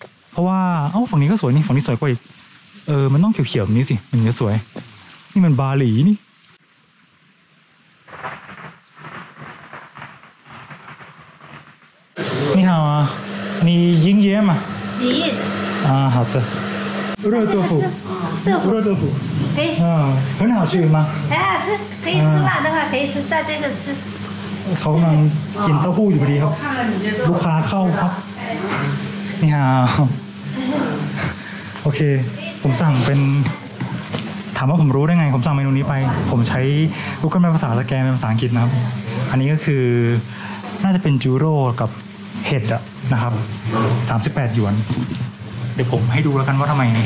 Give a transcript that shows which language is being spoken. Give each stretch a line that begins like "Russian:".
Thai: เพราะว่าเอ้าฝั่งนี้ก็สวยนี่ฝั่งนี้สวยกว่าอีกเออมันต้องเขียวๆนี้สิมันจะสวยนี่มันบาหลีนี่นี่ฮาวานี่ยิงเย่มา ดี
Chinese: อ่าฮะต热豆腐，热豆腐，哎，嗯，很好吃吗？很好吃，可以吃饭的话可以吃，蘸这个吃。
Thai: เขากำลังกินเต้าหู้อยู่พอดีครับลูกค้าเข้าครับนี่ฮะโอเคผมสั่งเป็นถามว่าผมรู้ได้ไงผมสั่งเมนูนี้ไปผมใช้ Google Maps ภาษาสแกนเป็นภาษาอังกฤษนะครับอันนี้ก็คือน่าจะเป็นจูโร่กับเห็ดอะนะครับ38หยวนเดี๋ยวผมให้ดูแล้วกันว่าทำไม